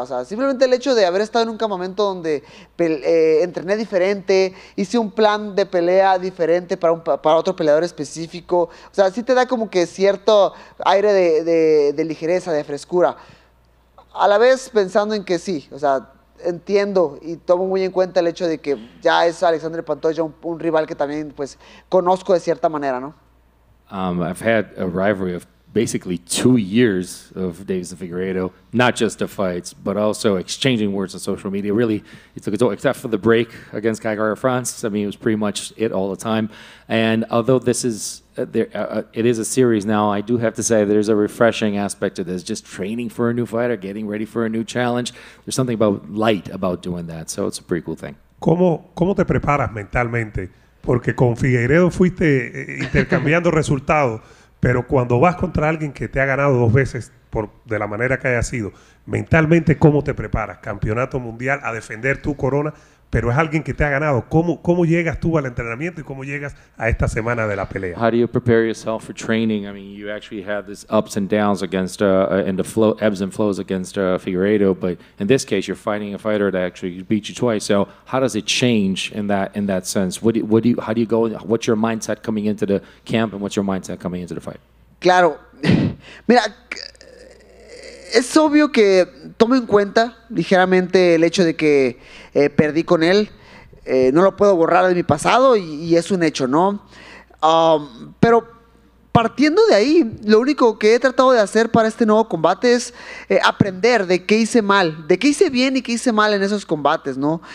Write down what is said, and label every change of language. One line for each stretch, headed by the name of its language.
Spanish: O sea, simplemente el hecho de haber estado en un campamento donde entrené diferente, hice un plan de pelea diferente para otro peleador específico. O sea, sí te da como que cierto aire de ligereza, de frescura. A la vez pensando en que sí, o sea, entiendo y tomo muy en cuenta el hecho de que ya es Alexander Pantoja un rival que también, pues, conozco de cierta manera, ¿no?
English: I've had a rivalry of basically 2 years of Davison Figueiredo, not just the fights, but also exchanging words on social media. Really, it took a toll, except for the break against Kaikar France. I mean, it was pretty much it all the time. And although this is it is a series now, I do have to say there's a refreshing aspect to this, just training for a new fighter, getting ready for a new challenge. There's something about light about doing that, so it's a pretty cool thing.
Spanish: ¿Cómo te preparas mentalmente? Porque con Figueiredo fuiste intercambiando resultados, pero cuando vas contra alguien que te ha ganado 2 veces de la manera que haya sido, mentalmente, ¿cómo te preparas? Campeonato mundial, a defender tu corona, pero es alguien que te ha ganado. ¿Cómo llegas tú al entrenamiento y cómo llegas a esta semana de la pelea?
English: How do you prepare yourself for training? I mean, you actually had these ups and downs against and the flow, ebbs and flows against Figueiredo, but in this case, you're fighting a fighter that actually beat you twice. So how does it change in that sense? What do you, how do you go? What's your mindset coming into the camp, and what's your mindset coming into the fight?
Spanish: Claro. Mira, es obvio que tomo en cuenta ligeramente el hecho de que perdí con él. No lo puedo borrar de mi pasado y es un hecho, ¿no? Pero partiendo de ahí, lo único que he tratado de hacer para este nuevo combate es aprender de qué hice mal, de qué hice bien y qué hice mal en esos combates, ¿no?